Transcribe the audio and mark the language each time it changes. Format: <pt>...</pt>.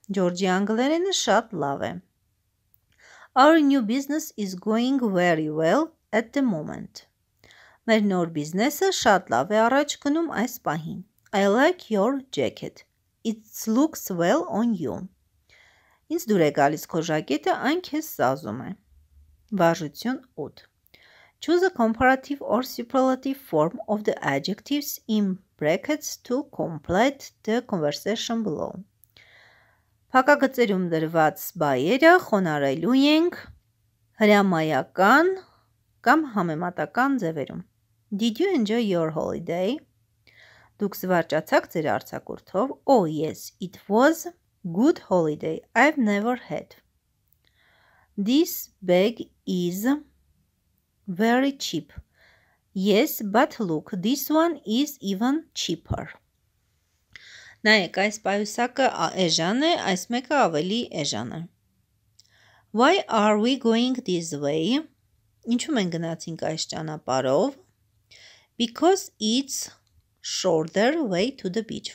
<hy>George-ի անգլերենը շատ լավ է։</hy> <en>Our new business is going very well at the moment.</en> <hy>Մեր նոր բիզնեսը շատ լավ է առաջ գնում այս պահին։</hy> <en>I like your jacket. It looks well on you.</en> <hy>Ինձ դուր է գալիս քո ժակետը, այն քեզ սազում է։ Վարժություն 8.</hy> <en>Choose a comparative or superlative form of the adjectives in brackets to complete the conversation below.</en> <hy>Փակագծերում դրված բայերը խոնարհելու ենք հրամայական կամ համեմատական ձևերում։</hy> <en>Did you enjoy your holiday?</en> <hy>Դուք զվարճացաք ձեր արձակուրդով։</hy> <en>Oh yes, it was good holiday I've never had. This bag is very cheap. Yes, but look, this one is even cheaper.</en> <hy>Նայեք, այս պայուսակը էժան է, այս մեկը ավելի էժան է։</hy> <en>Why are we going this way?</en> <hy>Ինչու մենք գնացինք այս ճանապարով?</hy> <en>Because it's shorter way to the beach.</en>